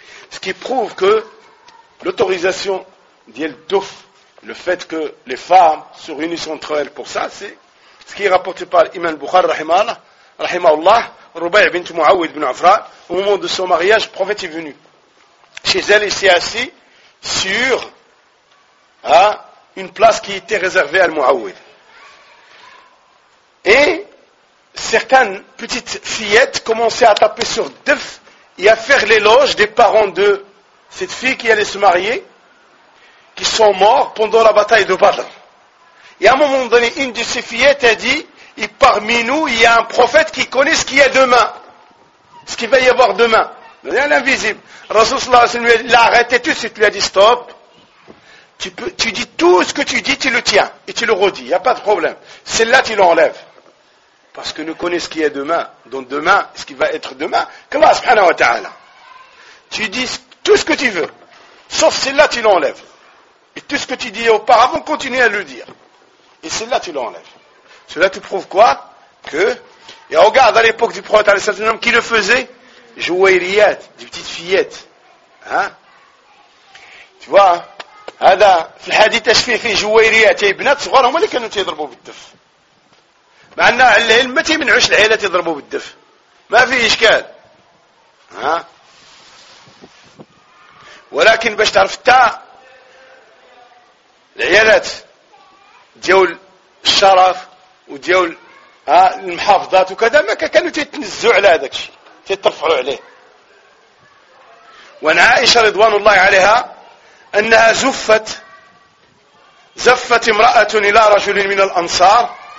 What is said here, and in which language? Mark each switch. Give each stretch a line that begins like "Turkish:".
French: ce qui prouve que l'autorisation
Arabic: ديال الدف
French: le fait que les femmes se réunissent entre elles pour ça c'est ce qui est rapporté par l'imam Bukhari rahimahullah Rubay' bint Muawid bin Afra au moment de son mariage le prophète est venu chez elle il s'est assis sur une place qui était réservée à Muawid et certaines petites fillettes commençaient à taper sur Duf et à faire l'éloge des parents de cette fille qui allait se marier, qui sont morts pendant la bataille de Badr. Et à un moment donné, une de ces fillettes a dit, « Et parmi nous, il y a un prophète qui connaît ce qu'il y a demain, ce qu'il va y avoir demain. » Il y a l'invisible. Rasoul sallallahu alayhi wa sallam l'a arrêté tout de suite, lui a dit, « Stop. Tu dis tout ce que tu dis, tu le tiens et tu le redis. Il n'y a pas de problème. Celle-là, tu l'enlèves. » Parce que nous connaissons ce qu'il y a demain. Donc demain, ce qui va être demain, qu'Allah subhanahu wa ta'ala. Tu dis tout ce que tu veux. Sauf celle-là, tu l'enlèves. Et tout ce que tu dis auparavant, continue à le dire. Et celle-là, tu l'enlèves. Cela te prouve quoi? Que, et regarde à l'époque du prophète, un certain homme qui le faisait, jouairiyat, des petites fillettes. Hein? Tu vois, hada,
Arabic: fil hadith ashfifi,
French: jouairiyat, ibnat, c'est vrai, on va dire qu'il y a un autre beau bittif.
Arabic: مع أن العلم ما تيمنعوش العيلة يضربوا بالدف ما فيه إشكال ها ولكن باش تعرف تا العيالات ديول الشرف وديول المحافظات وكذا ما كانوا تيتنزعوا على هذاك الشيء تيترفعوا عليه وأن عائشة رضوان الله عليها أنها زفت امرأة إلى رجل من الأنصار